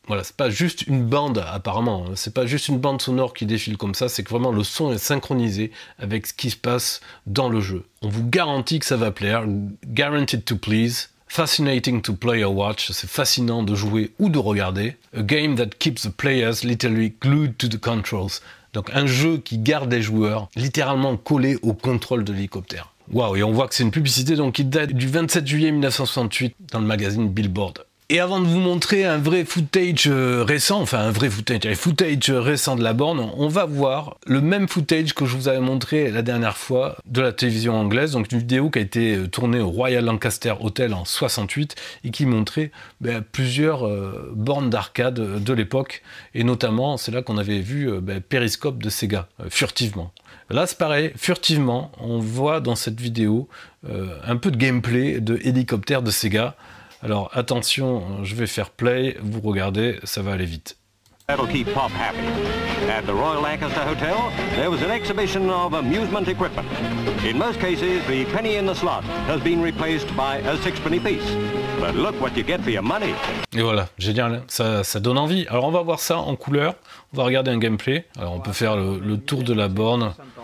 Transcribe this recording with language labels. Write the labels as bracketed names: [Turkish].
[French] Voilà, c'est pas juste une bande apparemment. C'est pas juste une bande sonore qui défile comme ça. C'est que vraiment le son est synchronisé avec ce qui se passe dans le jeu. On vous garantit que ça va plaire. [English] Guaranteed to please. Fascinating to play or watch, [French] c'est fascinant de jouer ou de regarder. [English] A game that keeps the players literally glued to the controls. [French] Donc un jeu qui garde les joueurs littéralement collés au contrôle de l'hélicoptère. Waouh, et on voit que c'est une publicité donc qui date du 27 juillet 1968 dans le magazine Billboard. Et avant de vous montrer un vrai footage récent, enfin un vrai footage, un footage récent de la borne, on va voir le même footage que je vous avais montré la dernière fois de la télévision anglaise, donc une vidéo qui a été tournée au Royal Lancaster Hotel en 68 et qui montrait plusieurs bornes d'arcade de l'époque. Et notamment, c'est là qu'on avait vu Periscope de Sega, furtivement. Là, c'est pareil, furtivement, on voit dans cette vidéo un peu de gameplay de hélicoptère de Sega. Alors attention, je vais faire play, vous regardez, ça va aller vite. [English] That'll keep Pop happy. At the Royal Lancaster Hotel, there was an exhibition of amusement equipment. In most cases, the penny in the slot has been replaced by a sixpenny piece. But look what you get for your money. [French] Et voilà, génial, ça donne envie. Alors on va voir ça en couleur, on va regarder un gameplay. Alors on peut faire le tour de la borne.